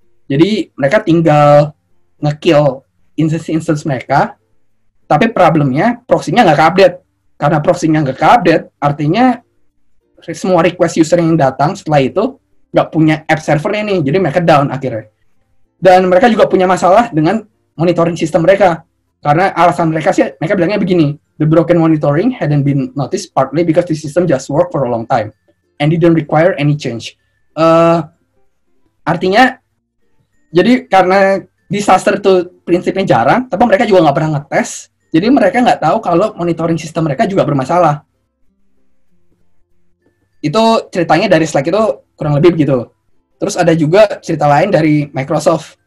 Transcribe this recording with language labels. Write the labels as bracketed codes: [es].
[id] Jadi mereka tinggal nge-kill instance-instance mereka. Tapi problemnya, proxy-nya nggak ke-update. Karena proxy-nya nggak ke-update, artinya semua request user yang datang setelah itu nggak punya app server-nya nih, jadi mereka down akhirnya. Dan mereka juga punya masalah dengan monitoring sistem mereka. [en] Karena alasan mereka sih, mereka bilangnya begini, the broken monitoring hadn't been noticed partly because the system just worked for a long time and didn't require any change. [id] Artinya, jadi karena disaster itu prinsipnya jarang, tapi mereka juga nggak pernah ngetes. Jadi mereka nggak tahu kalau monitoring sistem mereka juga bermasalah. Itu ceritanya dari Slack itu kurang lebih begitu. Terus ada juga cerita lain dari Microsoft.